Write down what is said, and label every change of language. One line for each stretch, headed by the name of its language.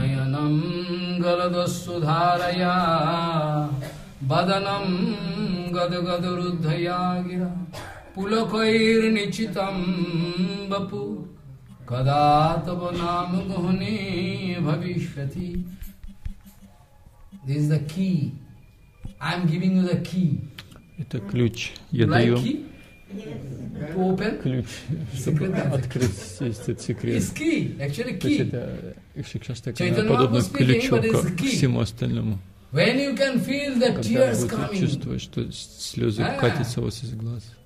Sanskrit: Найанам галадасудхарая, баданам гадагадуруддхаягира, пулакайр ничитам бапу, кадатва нам гхуни бхавишвати.
English: This is the key. I am giving you the key.
Russian: Это ключ. Я даю.
English: To open?
Russian: Ключ, чтобы открыть этот секрет.
English: It's key, actually key.
Russian: То есть это шикшаштака, подобно ключу ко всему остальному.
English: When you can feel the tears coming.
Russian: Когда вы чувствуете, что слезы катятся у вас из глаз.